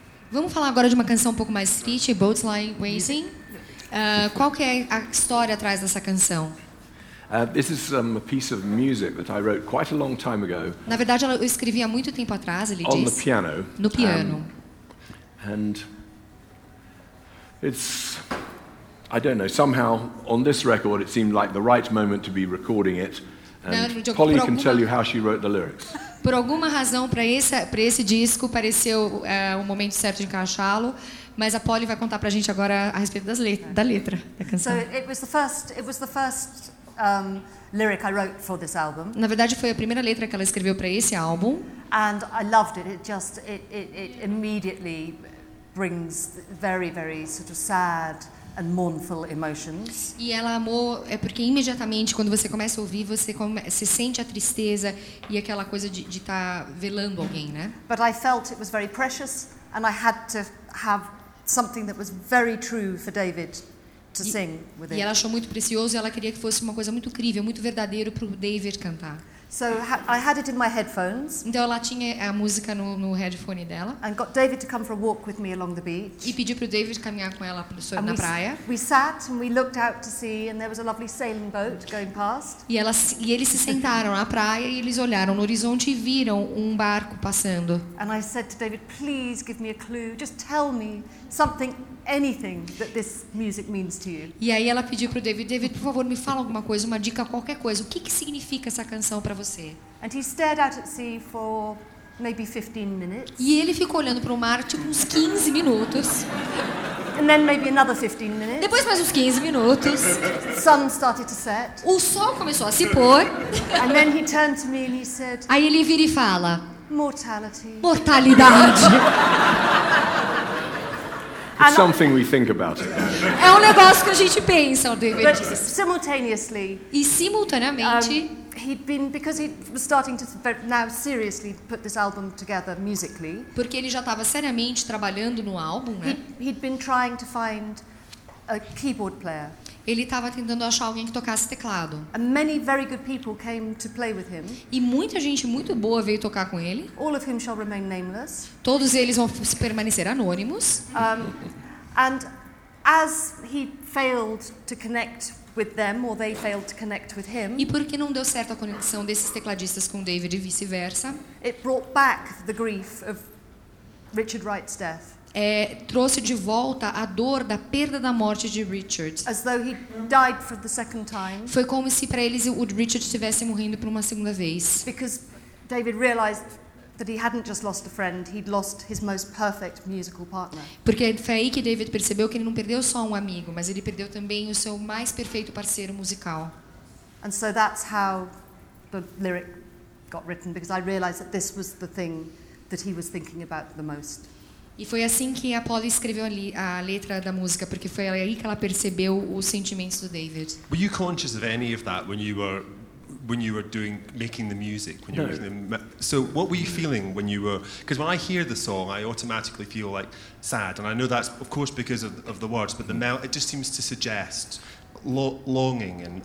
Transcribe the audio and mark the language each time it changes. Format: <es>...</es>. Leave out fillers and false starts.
<pt>Vamos falar agora de uma canção um pouco mais triste, Boat Lies Waiting. Qual que é a história atrás dessa canção?</pt> <en>This is a piece of music that I wrote quite a long time ago.</en> <pt>Na verdade, eu escrevi há muito tempo atrás, ele</pt> <en>on On the piano.</en> <pt>No piano.</pt> <en>And it's, I don't know, somehow on this record it seemed like the right moment to be recording it. And Polly can tell you how she wrote the lyrics.</en> <pt>Por alguma razão, para esse disco, pareceu um momento certo de encaixá-lo. Mas a Polly vai contar para a gente agora a respeito da letra da canção.</pt> <en>So it was the first lyric I wrote for this album.</en> <pt>Na verdade, foi a primeira letra que ela escreveu para esse álbum.</pt> <en>And I loved it. It immediately brings very, very sort of sad and mournful emotions.</en> <pt>E ela amou é porque imediatamente quando você começa a ouvir, você sente a tristeza e aquela coisa de estar velando alguém, né?</pt> <en>But I felt it was very precious and I had to have something that was very true for David to sing with it.</en> <pt>E ela achou muito precioso e ela queria que fosse uma coisa muito incrível, muito verdadeiro pro David cantar.</pt> <en>So I had it in my headphones.</en> <pt>Então ela tinha a música no headphone dela.</pt> <en>And got David to come for a walk with me along the beach.</en> <pt>E pediu pro David caminhar com ela na praia.</pt> <en>We sat and we looked out to sea and there was a lovely sailing boat going past.</en> <pt>E eles se sentaram na praia e eles olharam no horizonte e viram barco passando.</pt> <en>And I said to David, please give me a clue. Just tell me something, anything that this music means to you.</en> <pt>E aí ela pediu pro David, por favor, me fala alguma coisa, uma dica, qualquer coisa. O que significa essa canção para você?</pt> <en>And he stared out at sea for maybe 15 minutes.</en> <pt>E ele ficou olhando pro mar tipo uns 15 minutos.</pt> <en>And then maybe another 15 minutes.</en> <pt>Depois mais uns 15 minutos.</pt> <en>The sun started to set.</en> <pt>O sol começou a se pôr.</pt> <en>And then he turned to me and he said,</en> <pt>aí ele vira e fala,</pt> <en>mortality.</en> <pt>Mortalidade.</pt> <en>It's something we think about.</en> <pt>É negócio que a gente pensa, David.</pt> <en>But simultaneously.</en> <pt>E simultaneamente.</pt> <en>Because he was starting to now seriously put this album together musically.</en> <pt>Porque ele já estava seriamente trabalhando no álbum, né?</pt> <en>He'd been trying to find a keyboard player.</en> <pt>Ele estava tentando achar alguém que tocasse teclado.</pt> <en>And many very good people came to play with him.</en> <pt>E muita gente muito boa veio tocar com ele.</pt> <en>All of whom shall remain nameless.</en> <pt>Todos eles vão permanecer anônimos.</pt> <en>And as he failed to connect with them, or they failed to connect with him.</en> <pt>E porque não deu certo a conexão desses tecladistas com David e vice-versa?</pt> <en>It brought back the grief of Richard Wright's death.</en> <pt>Trouxe de volta a dor da perda da morte de Richard.</pt> <en>As though he died for the second time.</en> <pt>Foi como se para eles o Richard estivesse morrendo por uma segunda vez.</pt> <en>Because David realized that he hadn't just lost a friend, he'd lost his most perfect musical partner.</en> <pt>Porque foi aí que David percebeu que ele não perdeu só amigo, mas ele perdeu também o seu mais perfeito parceiro musical.</pt> <en>And so that's how the lyric got written, because I realized that this was the thing that he was thinking about the most.</en> <pt>E foi assim que a Polly escreveu a letra da música, porque foi aí que ela percebeu os sentimentos do David.</pt> <en>Were you conscious of any of that when you were doing, making the music? When you No. Were, so what were you feeling when you were, because when I hear the song, I automatically feel like sad, and I know that's of course because of the words, but it just seems to suggest longing and</en>